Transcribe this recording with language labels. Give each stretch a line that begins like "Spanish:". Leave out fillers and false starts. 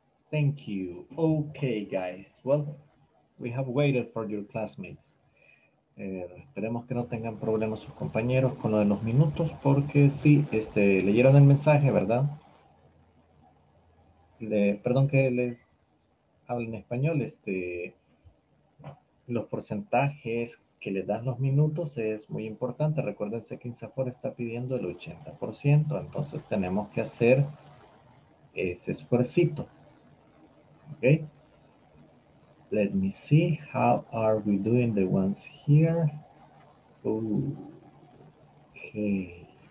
English: Thank you. Okay, guys. Well, we have waited for your classmates.
Spanish: Esperemos que no tengan problemas sus compañeros con lo de los minutos, porque sí, leyeron el mensaje, ¿verdad? Perdón que les hable en español. Los porcentajes que les dan los minutos es muy importante. Recuérdense que INSAFOR está pidiendo el 80%, entonces tenemos que hacer ese esfuercito. ¿Ok?
English: Let me see, how are we doing the ones here? Ooh. Okay.